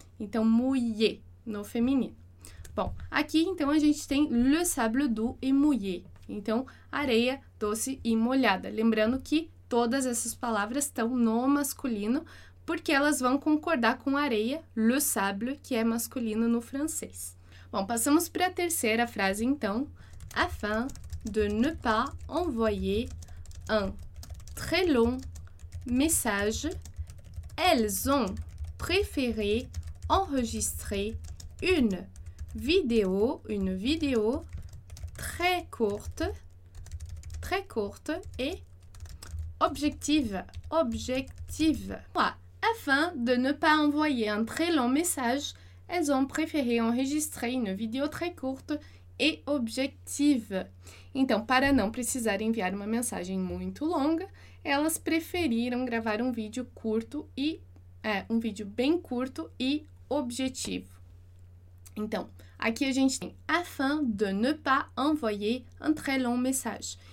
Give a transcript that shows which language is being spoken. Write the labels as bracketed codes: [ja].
[pt] Então, mulher no feminino. Bom, aqui então a gente tem [fr] le sable doux et mouillé. [pt] Então, areia doce e molhada. Lembrando que todas essas palavras estão no masculino, porque elas vão concordar com areia, le sable, que é masculino no francês. Bom, passamos para a terceira frase, então. [fr] Afin de ne pas envoyer un très long message, elles ont préféré enregistrer une vidéo très courte et objective, objective. Voilà. Afin de ne pas envoyer un très long message, elles ont préféré enregistrer une vidéo très courte et objective. [pt] Então, para não precisar enviar uma mensagem muito longa, elas preferiram gravar um vídeo curto e um vídeo bem curto e objetivo. Então, aqui a gente tem [fr] afin de ne pas envoyer un très long message.